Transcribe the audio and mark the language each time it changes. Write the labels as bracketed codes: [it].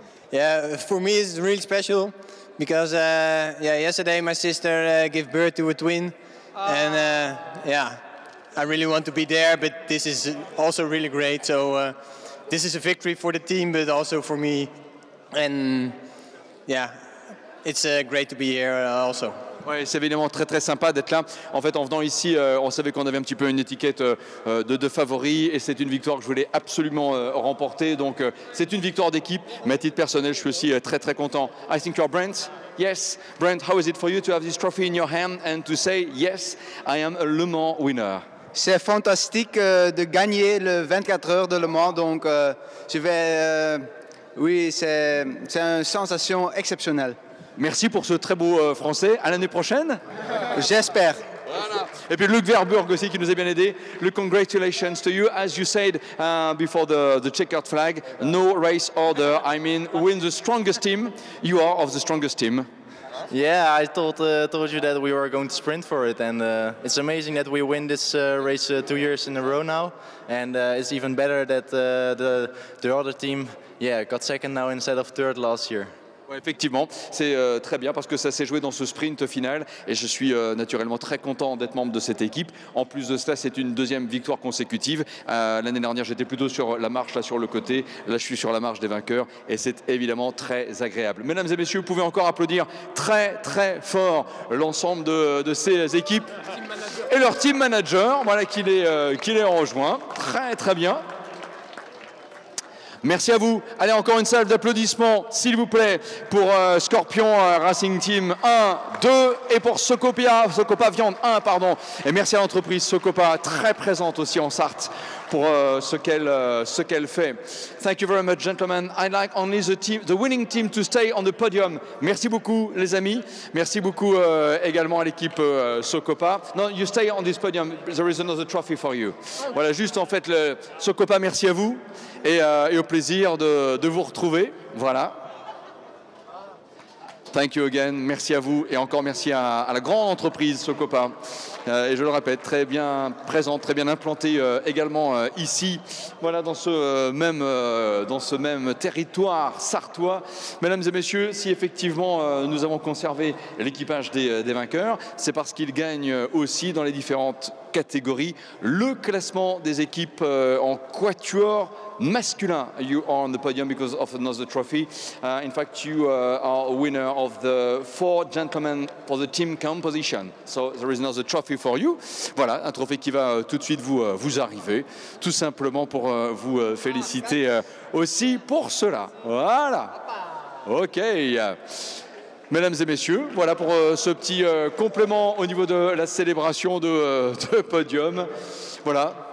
[en] Yeah, for me it's really special because yesterday my sister gave birth to a twin. And I really want to be there, but this is also really great. So this is a victory for the team, but also for me. And yeah, it's great to be here also. [fr] Oui, c'est évidemment très très sympa d'être là. En fait, en venant ici, on savait qu'on avait un petit peu une étiquette de deux favoris et c'est une victoire que je voulais absolument remporter. Donc, c'est une victoire d'équipe. Mais à titre personnel, je suis aussi très très content. [en] I think you're Brent. Yes, Brent, how is it for you to have this trophy in your hand and to say, yes, I am a Le Mans winner? [fr] C'est fantastique de gagner le 24 heures de Le Mans. Donc, je vais. Oui, c'est une sensation exceptionnelle. Merci pour ce très beau français. À l'année prochaine, j'espère. Voilà. Et puis Luc Verburg aussi qui nous a bien aidé. [en] Luc, congratulations to you. As you said before the checkered flag, no race order. I mean, win the strongest team. You are of the strongest team. Yeah, I told you that we were going to sprint for it, and it's amazing that we win this race 2 years in a row now. And it's even better that the other team, got second now instead of third last year. [fr] Ouais, effectivement, c'est très bien parce que ça s'est joué dans ce sprint final et je suis naturellement très content d'être membre de cette équipe. En plus de cela, c'est une deuxième victoire consécutive. L'année dernière, j'étais plutôt sur la marche là sur le côté. Là, je suis sur la marche des vainqueurs et c'est évidemment très agréable. Mesdames et messieurs, vous pouvez encore applaudir très très fort l'ensemble de ces équipes et leur team manager, voilà qui les rejoint. Très très bien. Merci à vous. Allez, encore une salve d'applaudissements, s'il vous plaît, pour Scorpion Racing Team 1, 2 et pour Socopa Viande 1, pardon. Et merci à l'entreprise Socopa, très présente aussi en Sarthe, pour ce qu'elle fait. [en] Thank you very much, gentlemen. I'd like only the winning team to stay on the podium. [fr] Merci beaucoup, les amis. Merci beaucoup également à l'équipe Socopa. [en] No, you stay on this podium. There is another trophy for you. [fr] Voilà, juste en fait, le Socopa, merci à vous. Et au plaisir de vous retrouver. Voilà. [en] Thank you again. [fr] Merci à vous. Et encore merci à la grande entreprise Socopa. Et je le répète, très bien présente, très bien implantée également ici, voilà, dans ce même territoire sartois. Mesdames et messieurs, si effectivement nous avons conservé l'équipage des vainqueurs, c'est parce qu'ils gagnent aussi dans les différentes catégories le classement des équipes en quatuor masculin. [en] You are on the podium because of another trophy. In fact, you are a winner of the four gentlemen for the team composition. So there is another trophy for you. [fr] Voilà, un trophée qui va tout de suite vous arriver, tout simplement pour vous féliciter aussi pour cela. Voilà. Ok. Mesdames et messieurs, voilà pour ce petit complément au niveau de la célébration de podium. Voilà.